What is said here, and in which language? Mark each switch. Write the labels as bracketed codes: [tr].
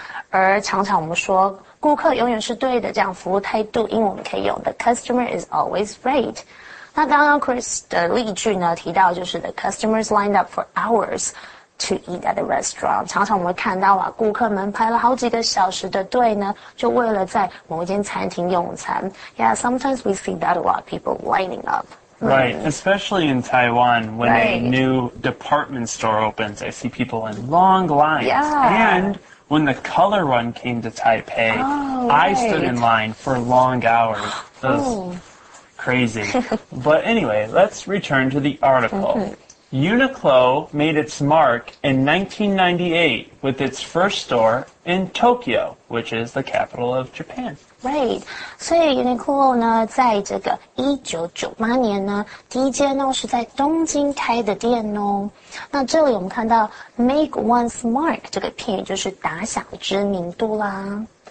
[zh] 而常常我们说顾客永远是对的，这样服务态度，因为我们可以用 the customer is always right。那刚刚 Chris 的例句呢，提到就是 the customers lined up for hours to eat at the restaurant。常常我们会看到啊，顾客们排了好几个小时的队呢，就为了在某一间餐厅用餐。 [en] Yeah, sometimes we see that a lot of people lining up. Right, especially in Taiwan, when a new department store opens, I see people in long lines. Yeah. And when the Color Run came to Taipei, I stood in line for long hours. That was crazy. But anyway, let's return to the article. Uniqlo made its mark in 1998 with its first store in Tokyo, which is the capital of Japan. [zh] Right, 所以 Uniqlo 呢，在这个1998年呢，第一间呢是在东京开的店哦。那这里我们看到 make one's mark 这个片语就是打响知名度啦。